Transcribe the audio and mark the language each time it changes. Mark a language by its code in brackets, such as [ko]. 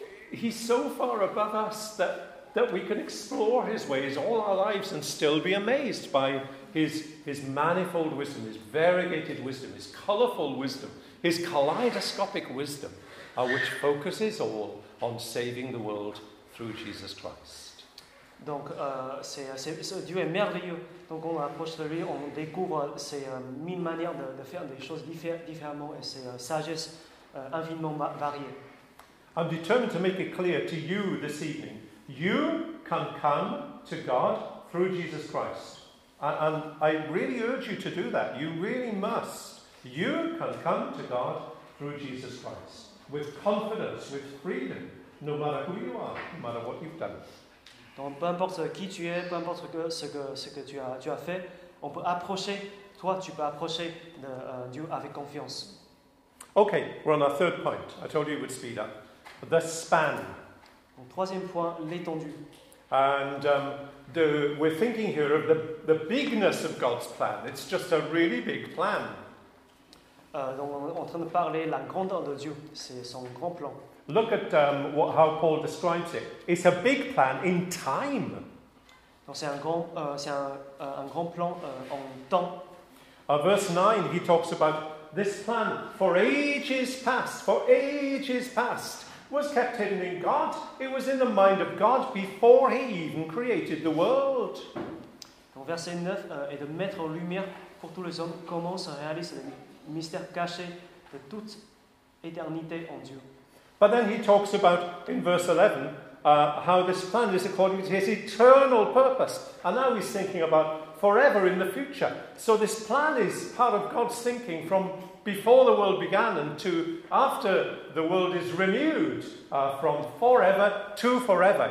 [en] He's so far above us that we can explore his ways all our lives and still be amazed by his manifold wisdom, his variegated wisdom, his colorful wisdom, his kaleidoscopic wisdom, which focuses all on saving the world through Jesus Christ. [fr] Donc, c'est Dieu est merveilleux. Donc, on approche de lui, on découvre ses mille manières de faire des choses différemment et ses sagesse infiniment variée. [en] I'm determined to make it clear to you this evening. You can come to God through Jesus Christ. And I really urge you to do that. You really must. You can come to God through Jesus Christ with confidence, with freedom, no matter who you are, no matter what you've done. [fr] Donc, peu importe qui tu es, peu importe ce que tu as fait, on peut approcher, toi, tu peux approcher de Dieu avec confiance. [en] Okay, we're on our third point. I told you it would speed up. The span. [fr] Donc, troisième point, l'étendue. [en] And we're thinking here of the bigness of God's plan. It's just a really big plan. [fr] Donc on est en train de parler la grandeur de Dieu. C'est son grand plan. [en] Look at how Paul describes it. It's a big plan in time. [fr] Donc c'est un grand plan en temps. [en] Verse 9, he talks about this plan for ages past. For ages past. Was kept hidden in God. It was in the mind of God before he even created the world. [fr] Donc verset 9 est de mettre en lumière pour tous les hommes comment se réalise le mystère caché de toute éternité en Dieu. [en] But then he talks about, in verse 11, how this plan is according to his eternal purpose. And now he's thinking about forever in the future. So this plan is part of God's thinking from before the world began and to after the world is renewed, from forever to forever.